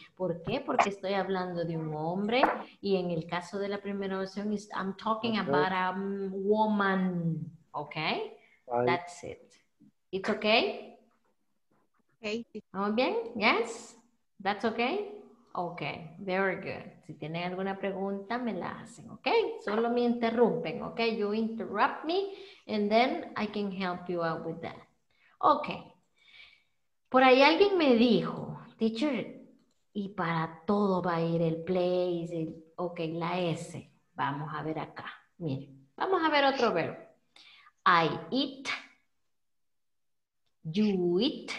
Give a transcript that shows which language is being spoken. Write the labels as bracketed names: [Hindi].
[Spanish] ¿Por qué? Porque estoy hablando de un hombre. Y en el caso de la primera opción, [English] I'm talking about a woman. Ok, bye. That's it. It's okay? Okay. [Spanish] ¿Estamos bien? [English] Yes? That's okay? Okay, very good. [Spanish] Si tienen alguna pregunta, me la hacen, ok? Solo me interrumpen, ok? [English] You interrupt me and then I can help you out with that. Ok. [Spanish] Por ahí alguien me dijo, teacher, y para todo va a ir el place, ok, la S. Vamos a ver acá. Miren, vamos a ver otro verbo. [English] I eat, you eat,